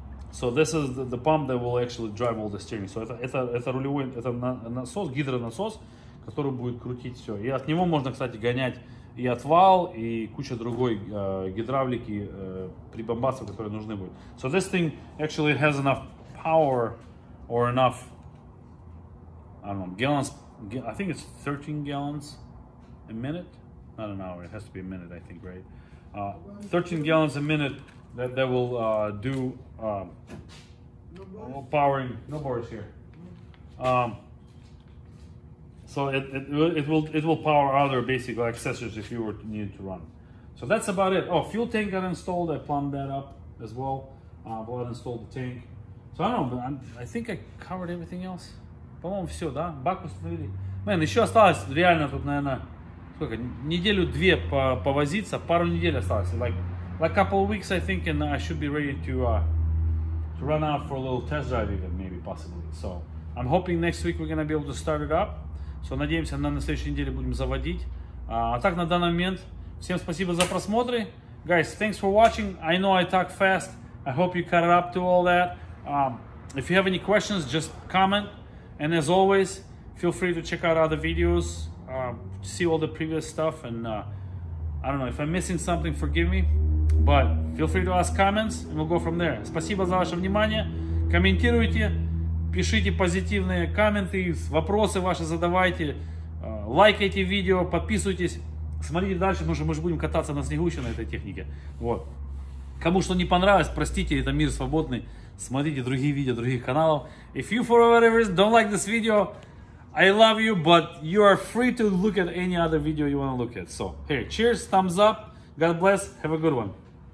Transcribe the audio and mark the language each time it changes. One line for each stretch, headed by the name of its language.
English: So this is the pump that will actually drive all the steering.
Russian: So это рулевой, это насос, гидронасос, который будет крутить все. И от него можно, кстати, гонять и отвал, и куча другой гидравлики, прибамбасов, которые нужны будут.
English: So this thing actually has enough power or enough, I don't know, gallons. I think it's 13 gallons a minute. Not an hour, it has to be a minute, I think, right? 13 gallons a minute. That will do no powering. No Boris here. So it will power other basic accessories if you were needed to run. So that's about it. Oh, fuel tank got installed. I plumbed that up as well. Vlad installed the tank. So I don't know. I think I covered everything else.
Russian: По-моему, все, да? Бак установили. Man, еще осталось реально тут, наверное, сколько? Неделю две повозиться. Пару недель осталось.
English: Like a couple of weeks, I think, and I should be ready to run out for a little test drive even, maybe, possibly. So, I'm hoping next week we're going to be able to start it up.
Russian: So, надеемся, на следующей неделе будем заводить. А так, на данный момент, всем спасибо за просмотры.
English: Guys, thanks for watching. I know I talk fast. I hope you caught up to all that. If you have any questions, just comment. And as always, feel free to check out other videos, see all the previous stuff. And I don't know, if I'm missing something, forgive me. But feel free to ask comments and we'll go from there.
Russian: Спасибо за ваше внимание. Комментируйте, пишите позитивные комменты, вопросы ваши задавайте. Лайкайте видео, подписывайтесь. Смотрите дальше, мы же будем кататься на снегу еще на этой технике. Вот. Кому что не понравилось, простите, это мир свободный. Смотрите другие видео других каналов.
English: If you for whatever reason don't like this video, I love you, but you are free to look at any other video you want to look at. So, hey, cheers, thumbs up. God bless. Have a good one.